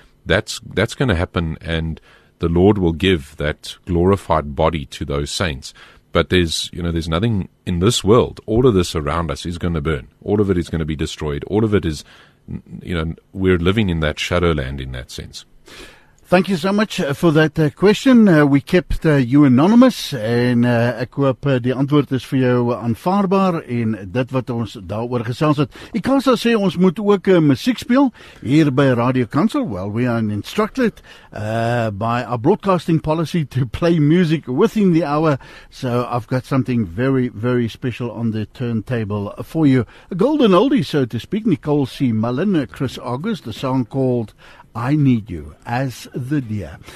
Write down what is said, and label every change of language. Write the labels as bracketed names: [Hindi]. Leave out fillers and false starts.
[English] That's going to happen, and the Lord will give that glorified body to those saints. But there's, you know, there's nothing in this world. All of this around us is going to burn. All of it is going to be destroyed. All of it is, you know, we're living in that shadow land in that sense. Thank you so much for that question. We kept you anonymous, and [Afrikaans] ek hoop die antwoord is vir jou aanvaarbaar en dit wat ons daaroor gesels het. Ek kan sou sê ons moet ook musiek speel hier by Radio Kansel. [English] Well, we are instructed by our broadcasting policy to play music within the hour, so I've got something very, very special on the turntable for you. A golden oldie, so to speak. Nicole C. Mullen, Chris August, the song called I Need You As the Deer.